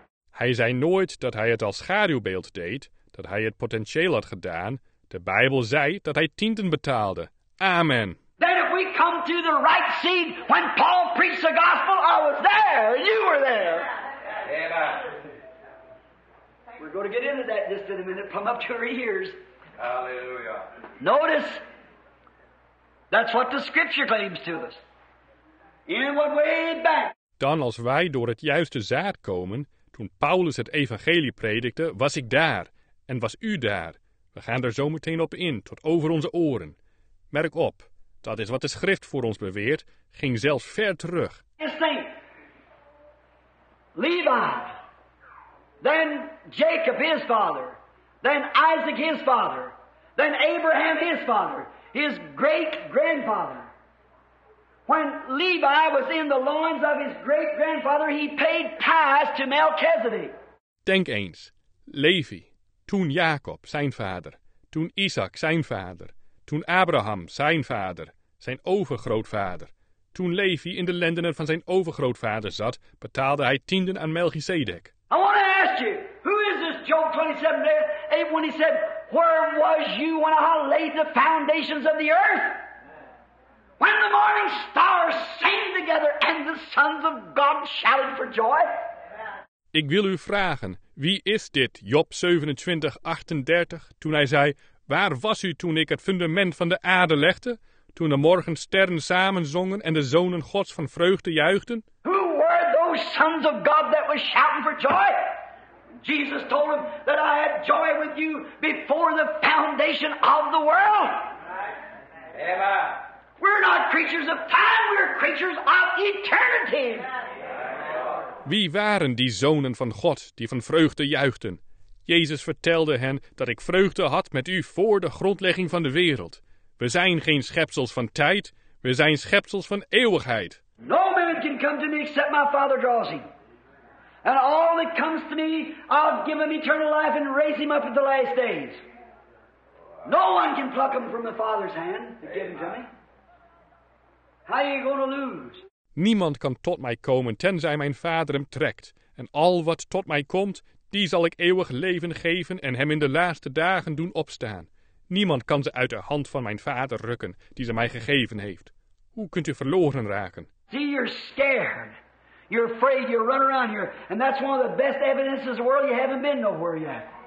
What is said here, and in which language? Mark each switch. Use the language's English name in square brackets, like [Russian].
[Dutch] Hij zei nooit dat hij het als schaduwbeeld deed, dat hij het potentieel had gedaan. De Bijbel zei dat hij tienden betaalde. Amen. [English] Then if we come to the right seed, when Paul preached the gospel, I was there, you were there. Amen. We're going to get into that just in a minute, come up to our ears. Hallelujah. Notice, that's what the scripture claims to us. In what way back. [Dutch] Dan als wij door het juiste zaad komen, toen Paulus het evangelie predikte, was ik daar en was u daar. We gaan er zo meteen op in, tot over onze oren. Merk op, dat is wat de schrift voor ons beweert, ging zelfs ver terug. [English] Just think, Levi, then Jacob his father, then Isaac his father, then Abraham his father, his great-grandfather. When Levi was in the loins of his great-grandfather, he paid tithes to Melchizedek. [Dutch] Denk eens, Levi, toen Jacob, zijn vader, toen Isaac, zijn vader, toen Abraham, zijn vader, zijn overgrootvader, toen Levi in de lendenen van zijn overgrootvader zat, betaalde hij tienden aan Melchizedek. [English] I want to ask you, who is this Job 27 there? When he said, where was you when I laid the foundations of the earth? When the morning stars sang together and the sons of God shouted for joy? [Dutch] Ik wil u vragen, wie is dit Job 27:38 toen hij zei, waar was u toen ik het fundament van de aarde legde, toen de morgensterren samen zongen en de zonen Gods van vreugde juichten? [English] Who were those sons of God that was shouting for joy? Jesus told him that I had joy with you before the foundation of the world. Amen. We're not creatures of time, we're creatures of eternity. [Dutch] Wie waren die zonen van God die van vreugde juichten? Jezus vertelde hen dat ik vreugde had met u voor de grondlegging van de wereld. We zijn geen schepsels van tijd, we zijn schepsels van eeuwigheid. [English] No man can come to me except my Father draws him. And all that comes to me, I'll give him eternal life and raise him up at the last days. No one can pluck him from the Father's hand and give him to me. How are you going to lose? [Dutch] Niemand kan tot mij komen tenzij mijn Vader hem trekt. En al wat tot mij komt, die zal ik eeuwig leven geven en hem in de laatste dagen doen opstaan. Niemand kan ze uit de hand van mijn Vader rukken, die ze mij gegeven heeft. Hoe kunt u verloren raken? [English] See, you're scared. You're afraid, you run around here. And that's one of the best evidences of the world you haven't been nowhere yet.